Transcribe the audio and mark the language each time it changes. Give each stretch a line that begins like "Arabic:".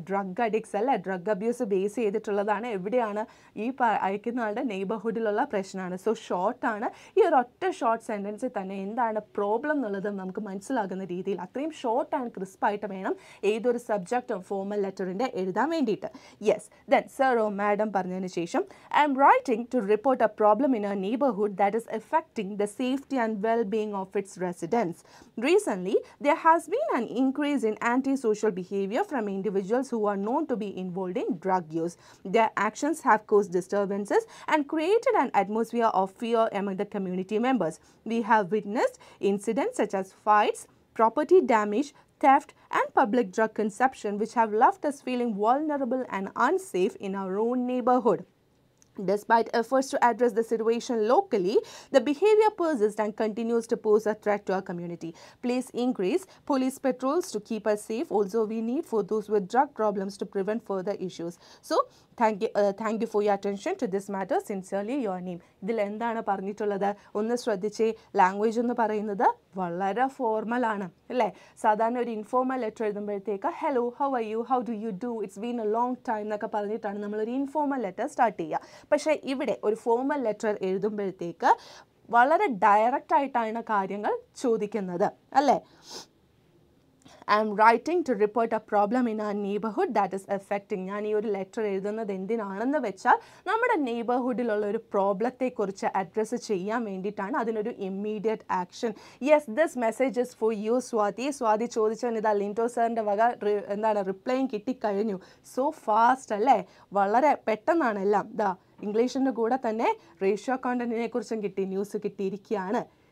Malayalam: Drug addicts അല്ല, drug abuse base ചെയ്തിട്ടുള്ളതാണ്. എവിടെയാണ് ഈ അയക്കുന്ന ആളുടെ നെയ്ബർഹുഡിലുള്ള പ്രശ്നമാണ്. സോ ഷോർട്ടാണ് ഈ ഒരു ഒറ്റ ഷോർട്ട് സെൻറ്റൻസിൽ തന്നെ എന്താണ് പ്രോബ്ലം എന്നുള്ളത് നമുക്ക് മനസ്സിലാകുന്ന രീതിയിൽ. അത്രയും ഷോർട്ടാണ്, ക്രിസ്പായിട്ട് വേണം ഏതൊരു സബ്ജക്റ്റും ഫോർമൽ ലെറ്ററിൻ്റെ എഴുതാൻ വേണ്ടിയിട്ട്. യെസ്, ദെൻ സാറോ മാഡം പറഞ്ഞതിന് ശേഷം
English: I am writing to report a problem in her neighborhood that is affecting the safety and well-being of its residents. Recently, there has been an increase in antisocial behavior from individuals who are known to be involved in drug use. Their actions have caused disturbances and created an atmosphere of fear among the community members. We have witnessed incidents such as fights, property damage, theft and public drug consumption, which have left us feeling vulnerable and unsafe in our own neighborhood. Despite efforts to address the situation locally, the behavior persists and continues to pose a threat to our community. Please increase police patrols to keep us safe. Also, we need for those with drug problems to prevent further issues. So, thank you for your attention to this matter. Sincerely, your name.
Malayalam: ഇതിൽ എന്താണ് പറഞ്ഞിട്ടുള്ളത്? ഒന്ന് ശ്രദ്ധിച്ചേ, language എന്ന് പറയുന്നത് വളരെ ഫോർമലാണ് അല്ലേ. സാധാരണ ഒരു informal letter എഴുതുമ്പോഴത്തേക്ക്
English: hello, how are you, how do you do, it's been a long time
Malayalam: എന്നൊക്കെ പറഞ്ഞിട്ടാണ് നമ്മളൊരു ഇൻഫോർമൽ ലെറ്റർ സ്റ്റാർട്ട് ചെയ്യുക. പക്ഷേ ഇവിടെ ഒരു ഫോർമൽ ലെറ്റർ എഴുതുമ്പോഴത്തേക്ക് വളരെ ഡയറക്റ്റായിട്ടാണ് കാര്യങ്ങൾ ചോദിക്കുന്നത് അല്ലേ.
English: I am writing to report a problem in our neighborhood that is affecting.
Malayalam: ഞാൻ ഈ ഒരു ലെറ്റർ എഴുതുന്നത് എന്തിനാണെന്ന് വെച്ചാൽ നമ്മുടെ നെയ്ബർഹുഡിലുള്ള ഒരു പ്രോബ്ലത്തെക്കുറിച്ച് അഡ്രസ്സ് ചെയ്യാൻ വേണ്ടിയിട്ടാണ്. അതിനൊരു immediate action.
English: Yes, this message is for you Swathi.
Malayalam: Swathi ചോദിച്ചാൽ ഇതാ ലിൻറ്റോ സാറിൻ്റെ വക എന്താണ് റിപ്ലൈയും കിട്ടിക്കഴിഞ്ഞു. സോ ഫാസ്റ്റ് അല്ലേ, വളരെ പെട്ടെന്നാണെല്ലാം. ദാ ഇംഗ്ലീഷിൻ്റെ കൂടെ തന്നെ റേഷ്യോ കോണ്ടന്റിനെ കുറിച്ചും കിട്ടി, ന്യൂസ് കിട്ടിയിരിക്കുകയാണ്.